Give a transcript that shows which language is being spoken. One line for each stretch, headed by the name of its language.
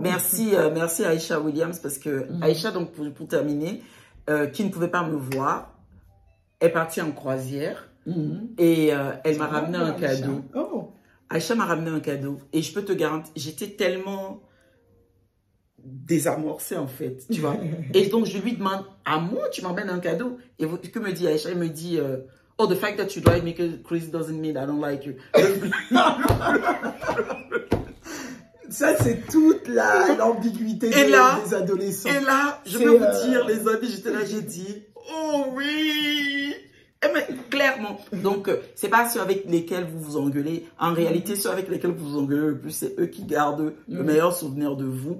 French: Merci Aïcha Williams, parce que Aïcha, donc, pour terminer, qui ne pouvait pas me voir, est partie en croisière et elle m'a ramené un cadeau. Oh. Aïcha m'a ramené un cadeau et je peux te garantir, j'étais tellement désamorcé en fait, tu vois. Et donc je lui demande, à moi tu m'emmènes un cadeau? Et que me dit
English: Aïcha? Elle me dit, oh, the fact that you drive me crazy doesn't mean I don't like you.
French: Ça, c'est toute l'ambiguïté des adolescents. Et là, je vais vous dire, les amis, j'étais là, j'ai dit, oh oui. Et mais, clairement, donc c'est pas ceux avec lesquels vous vous engueulez. En réalité, ceux avec lesquels vous vous engueulez le plus, c'est eux qui gardent le meilleur souvenir de vous.